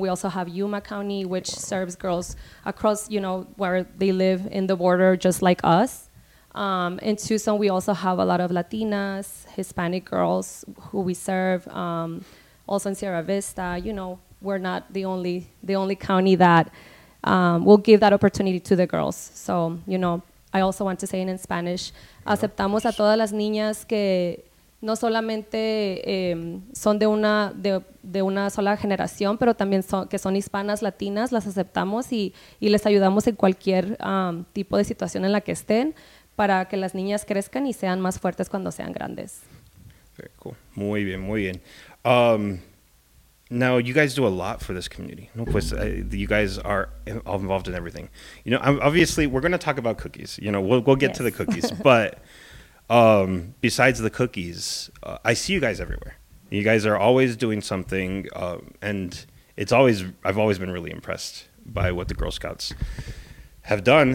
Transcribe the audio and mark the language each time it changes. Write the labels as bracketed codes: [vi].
[en] We also have Yuma County, which serves girls across, you know, where they live in the border, just like us. In Tucson, we also have a lot of Latinas, Hispanic girls who we serve. Also in Sierra Vista, you know, we're not the only county that will give that opportunity to the girls. So, you know, I also want to say in Spanish, [es] aceptamos a todas las niñas que no solamente son de una sola generación, pero también son hispanas, latinas, las aceptamos y les ayudamos en cualquier tipo de situación en la que estén. Para que las niñas crezcan y sean más fuertes cuando sean grandes. [en] Very cool. [es] Muy bien, muy bien. [en] Now, you guys do a lot for this community. [es] No, pues, [en] you guys are involved in everything. You know, obviously, we're going to talk about cookies. You know, we'll get to the cookies. But besides the cookies, I see you guys everywhere. You guys are always doing something. And I've always been really impressed by what the Girl Scouts have done.